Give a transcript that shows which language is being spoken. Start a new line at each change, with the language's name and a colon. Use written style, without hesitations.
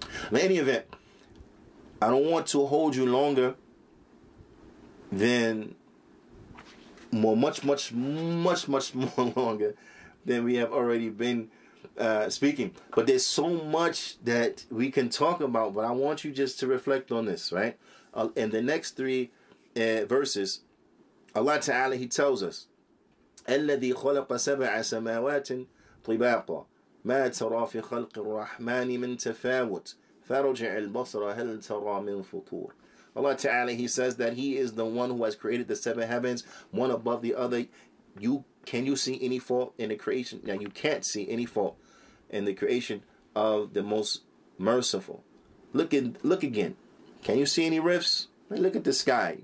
English: In any event, I don't want to hold you longer than more, much longer than we have already been speaking. But there's so much that we can talk about, but I want you just to reflect on this, right? In the next three verses, Allah Ta'ala, He tells us,
Arabic: الَّذِي خَلَقَ سَبْعَ سَمَاوَاتٍ طِبَاقًا مَا تَرَى فِي خَلْقِ الرَّحْمَنِ مِنْ تَفَاوُتٍ فَرُجِعِ الْبَصْرَ هَلْ تَرَى مِنْ فُطُورٍ.
English: Allah Ta'ala, He says that He is the one who has created the seven heavens, one above the other. Can you see any fault in the creation? Now, you can't see any fault in the creation of the Most Merciful. Look again. Can you see any rifts? Look at the sky.